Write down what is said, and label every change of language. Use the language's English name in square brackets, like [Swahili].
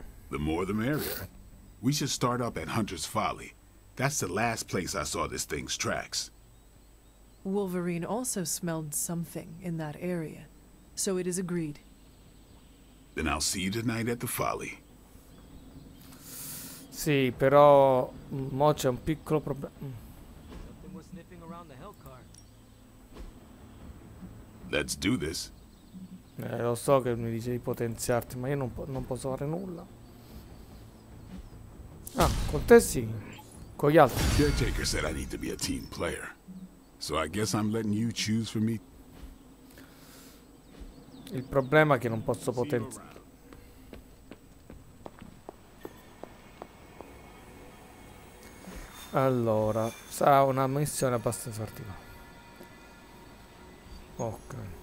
[English] The more the merrier. We should start up at Hunter's Folly. That's the last place I saw this thing's tracks. Wolverine also smelled something in that area. So it is agreed. Then I'll see you tonight at the Folly. [Italian] Sì, però mo c'è un piccolo problema. [English] Let's do this. [Italian] Lo so che mi dice di potenziarti, ma io non posso fare nulla. Ah, con te sì. Con gli altri. [English] Caretaker said I need to be a team player. So I guess I'm letting you choose for me. [Italian] Il problema è che non posso potenziarti. Allora, sarà una missione abbastanza attiva. Ok.